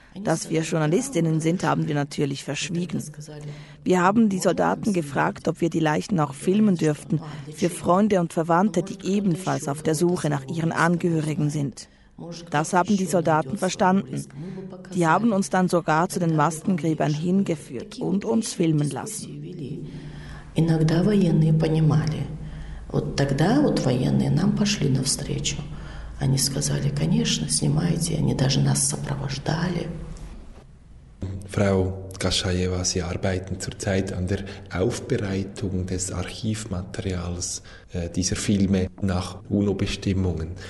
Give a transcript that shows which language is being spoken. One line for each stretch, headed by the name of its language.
German: Dass wir Journalistinnen sind, haben wir natürlich verschwiegen. Wir haben die Soldaten gefragt, ob wir die Leichen auch filmen dürften, für Freunde und Verwandte, die ebenfalls auf der Suche nach ihren Angehörigen sind. Das haben die Soldaten verstanden. Die haben uns dann sogar zu den Massengräbern hingeführt und uns filmen lassen.
Russian: Иногда военные понимали. Вот тогда вот военные нам пошли навстречу. Они сказали, конечно, снимайте. Они даже нас сопровождали.
German: Frau Gaschajewa, Sie arbeiten zurzeit an der Aufbereitung des Archivmaterials dieser Filme nach UNO-Bestimmungen.